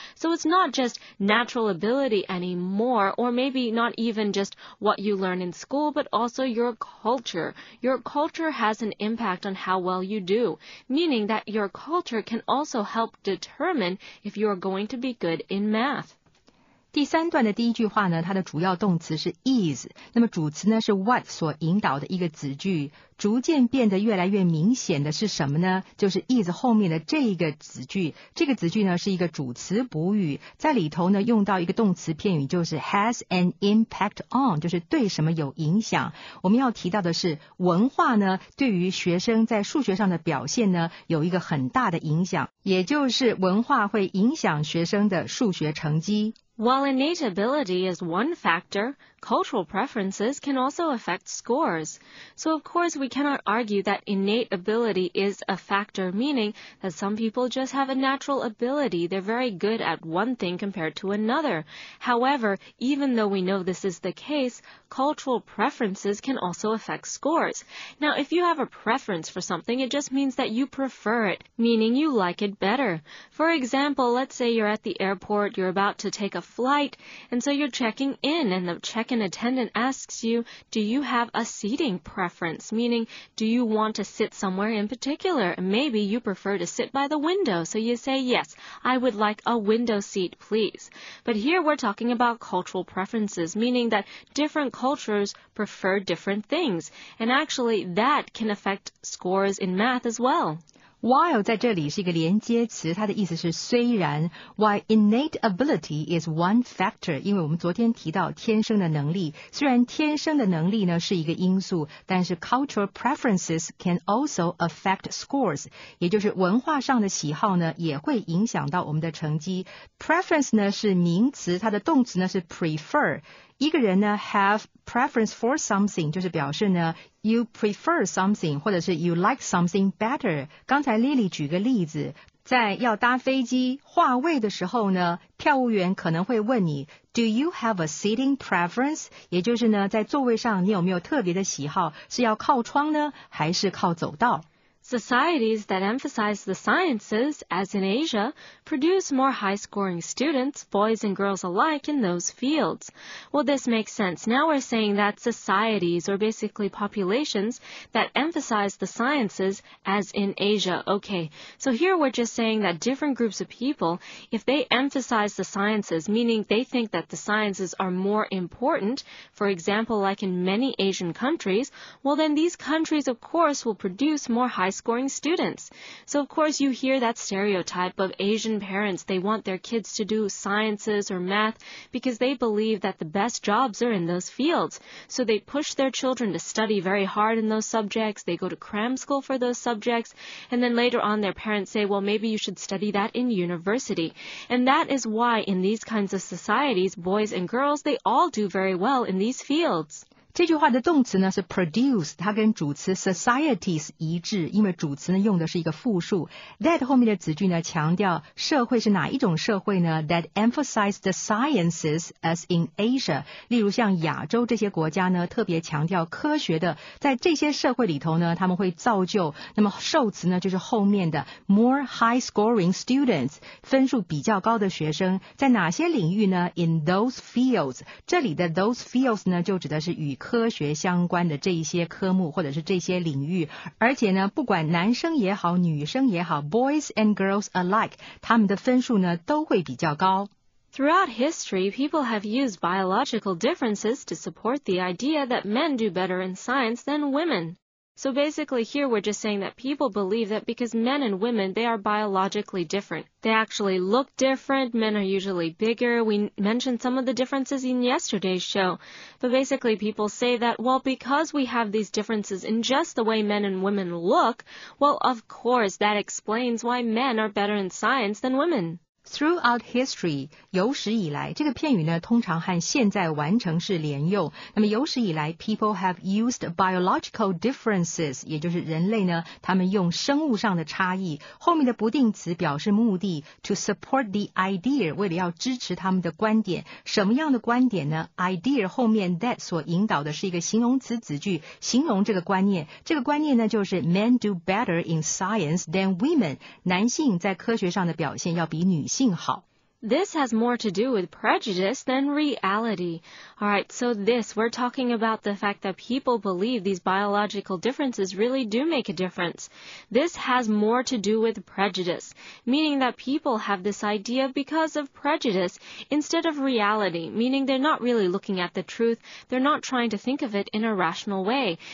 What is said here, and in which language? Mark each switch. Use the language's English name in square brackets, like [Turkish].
[English] So it's not just natural ability anymore, or maybe not even just what you learn in school, but also your culture. Your culture has an impact on how well you do, meaning that your culture can also help determine if you are going to be good in math. [Chinese] 第三段的第一句话呢，它的主要动词是 is， 那么主词呢是 what 所引导的一个子句，逐渐变得越来越明显的是什么呢？就是 is 后面的这一个子句，这个子句呢是一个主词补语，在里头呢用到一个动词片语，就是 [English] has an impact on， [Chinese] 就是对什么有影响。我们要提到的是文化呢，对于学生在数学上的表现呢有一个很大的影响，也就是文化会影响学生的数学成绩。 [English] While innate ability is one factor, cultural preferences can also affect scores. So of course we cannot argue that innate ability is a factor, meaning that some people just have a natural ability, they're very good at one thing compared to another. However, even though we know this is the case, cultural preferences can also affect scores. Now if you have a preference for something, it just means that you prefer it, meaning you like it better. For example, let's say you're at the airport, you're about to take a flight, and so you're checking in, and the check-in attendant asks you, do you have a seating preference? Meaning, do you want to sit somewhere in particular? Maybe you prefer to sit by the window, so you say, yes, I would like a window seat, please. But here we're talking about cultural preferences, meaning that different cultures prefer different things, and actually that can affect scores in math as well. [Chinese] While 在这里是一个连接词，它的意思是虽然。 [English] While innate ability is one factor， [Chinese] 因为我们昨天提到天生的能力，虽然天生的能力呢是一个因素，但是 [English] cultural preferences can also affect scores， [Chinese] 也就是文化上的喜好呢也会影响到我们的成绩。 Preference 呢是名词，它的动词呢是 prefer。一个人呢 [English] have preference for something， [Chinese] 就是表示呢 [English] you prefer something， [Chinese] 或者是 [English] you like something better。 [Chinese] 刚才 Lily 举个例子，在要搭飞机划位的时候呢，票务员可能会问你 [English] do you have a seating preference， [Chinese] 也就是呢在座位上你有没有特别的喜好，是要靠窗呢还是靠走道。 [English] Societies that emphasize the sciences, as in Asia, produce more high-scoring students, boys and girls alike, in those fields. Well, this makes sense. Now we're saying that societies, or basically populations, that emphasize the sciences, as in Asia. Okay, so here we're just saying that different groups of people, if they emphasize the sciences, meaning they think that the sciences are more important, for example, like in many Asian countries, well, then these countries, of course, will produce more high-scoring students. So of course you hear that stereotype of Asian parents, they want their kids to do sciences or math because they believe that the best jobs are in those fields. So they push their children to study very hard in those subjects, they go to cram school for those subjects, and then later on their parents say, well, maybe you should study that in university. And that is why in these kinds of societies, boys and girls, they all do very well in these fields. [Chinese] 这句话的动词呢是 produce， 它跟主词 societies 一致，因为主词呢用的是一个复数。 That 后面的子句呢强调社会是哪一种社会呢？ [English] That emphasize the sciences as in Asia， [Chinese] 例如像亚洲这些国家呢特别强调科学的，在这些社会里头呢他们会造就，那么受词呢就是后面的 [English] more high scoring students， [Chinese] 分数比较高的学生，在哪些领域呢？ [English] In those fields， [Chinese] 这里的 [English] those fields [Chinese] 呢就指的是与科学相关的这一些科目或者是这些领域，而且呢不管男生也好女生也好， [English] boys and girls alike， [Chinese] 他们的分数呢都会比较高。 [English] Throughout history, people have used biological differences to support the idea that men do better in science than women. So basically here we're just saying that people believe that because men and women, they are biologically different. They actually look different. Men are usually bigger. We mentioned some of the differences in yesterday's show. But basically people say that, well, because we have these differences in just the way men and women look, well, of course, that explains why men are better in science than women. Throughout history, [Chinese] 有史以来，这个片语呢，通常和现在完成式连用。那么有史以来 ， [English] people have used biological differences， [Chinese] 也就是人类呢，他们用生物上的差异，后面的不定词表示目的 ， [English] to support the idea， [Chinese] 为了要支持他们的观点。什么样的观点呢 ？idea 后面 that 所引导的是一个形容词子句，形容这个观念。这个观念呢，就是 [English] men do better in science than women， [Chinese] 男性在科学上的表现要比女性 [English] This has more to do with prejudice than reality. All right, so this, we're talking about the fact that people believe these biological differences really do make a difference. This has more to do with prejudice, meaning that people have this idea because of prejudice instead of reality, meaning they're not really looking at the truth, they're not trying to think of it in a rational way.